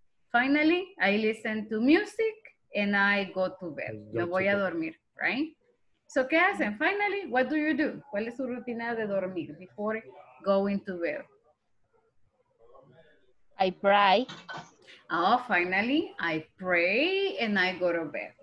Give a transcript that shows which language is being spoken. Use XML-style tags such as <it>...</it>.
<en>Finally, I listen to music and I go to bed.</en> <es>Me voy a dormir,</es> <en>right? So,</en> <es>¿qué hacen?</es> <en>Finally, what do you do?</en> <es>¿Cuál es su rutina de dormir</es> <en>before going to bed? I pray. Oh, finally, I pray and I go to bed.</en>